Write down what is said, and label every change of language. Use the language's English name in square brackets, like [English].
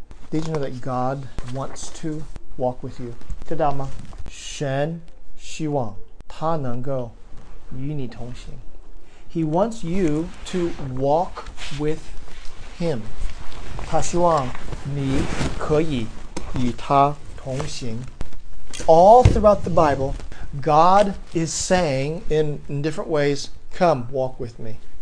[English] Did you know that God wants to walk with you? [Chinese] 知道吗？神希望他能够与你同行。 [English] He wants you to walk with him. [Chinese] 他希望你可以与他同行。 [English] All throughout the Bible, God is saying in different ways, come walk with me.